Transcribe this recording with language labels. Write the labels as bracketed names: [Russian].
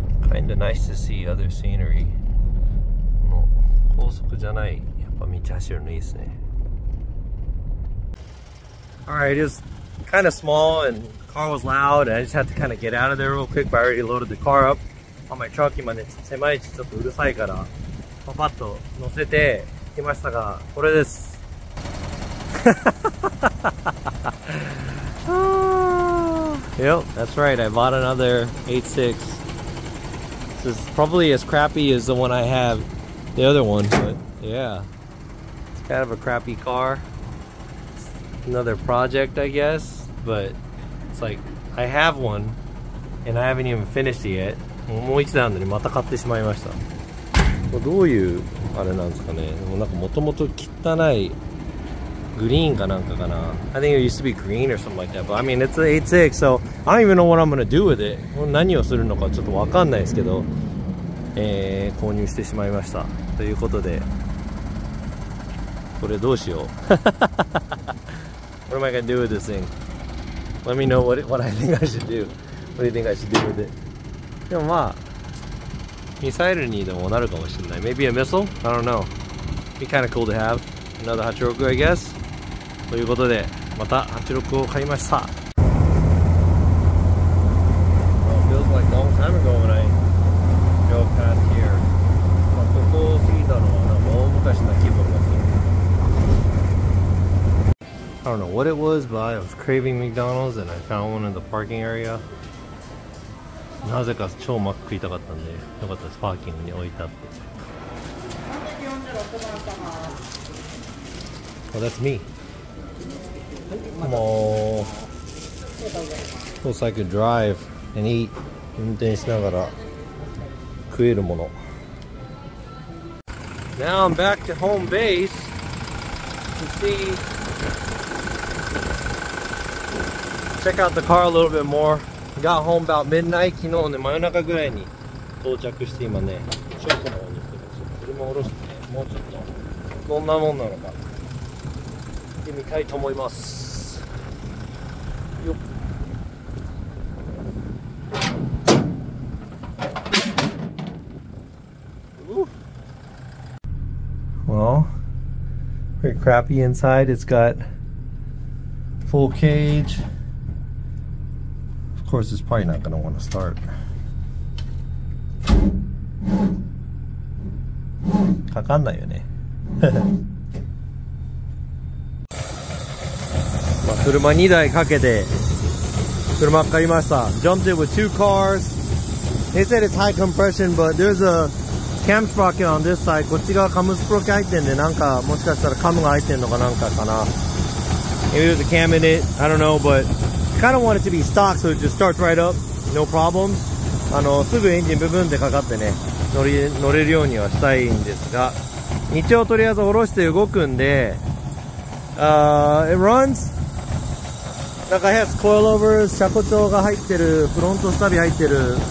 [English] Kinda nice to see other scenery. [Japanese] もう高速じゃない、やっぱ道走るのいいですね。 [English] Alright, it's kind of small and the car was loud and I just had to kind of get out of there real quick, but I already loaded the car up on my truck. [Japanese] 今ね、狭い地ちょっとうるさいから、パパッと乗せて行きましたが、これです。 [English] Yep, that's right, I bought another 86. This is probably as crappy as the one I have, the other one, but yeah. It's kind of a crappy car. It's another project, I guess, but it's like, I have one, and I haven't even finished it yet. [Japanese] もう一台なのにまた買ってしまいました。まあ、どういうあれなんですかね。でもなんかもともと汚いグリーンかなんかかな。 [English] I think it used to be green or something like that, but I mean, it's an 86, so I don't even know what I'm gonna do with it. [Japanese] 何をするのかちょっとわかんないですけど、購入してしまいました。ということで、これどうしよう。 [English] What am I gonna do with this thing? Let me know what I think I should do. What do you think I should do with it? [Japanese] でもまあ、ミサイルにでもなるかもしれない。 [English] Maybe a missile? I don't know. Be kind of cool to have. Another 86, I guess. [Japanese] ということで、また86を買いました。 [English] Well, it feels like a long time ago when I drove past here. [Japanese] まあ、ここを過ぎたのは、もう昔な気分がする。 [English] I don't know what it was, but I was craving McDonald's and I found one in the parking area. [Japanese] なぜか超マック食いたかったんで、よかったです。パーキングに置いたって。 [English] Well, that's me. Come on. Looks like a drive and eat. [Japanese] 運転しながら食えるもの。 [English] Now I'm back to home base to see. Check out the car a little bit more. Got home about midnight. [Japanese] 昨日ね、真夜中ぐらいに到着して今ね、車庫の方に行ってます。車を下ろしてね、もうちょっと。どんなもんなのか。見てみたいと思います。よっ。 [English] Well, pretty crappy inside. It's got full cage. Of course, it's probably not gonna want to start. [Japanese] 掛かんないよね。車2台かけて車買いました。 [English] Jumped it with two cars. They said it's high compression, but there's a cam sprocket on this side. [Japanese] こっち側カムスプロッケ入ってんで、なんかもしかしたらカムが入ってんのかなんかかな。 [English] Maybe there's a cam in it. I don't know, but kind of want it to be stock, so it just starts right up. No problem. [Japanese] あのすぐエンジンブブンってかかってね、乗れるようにはしたいんですが、一応とりあえず下ろして動くんで、 [English] it runs. [Japanese] 中 [English] has coilovers, [Japanese] 車庫帳が入ってる、フロントスタビ入ってる。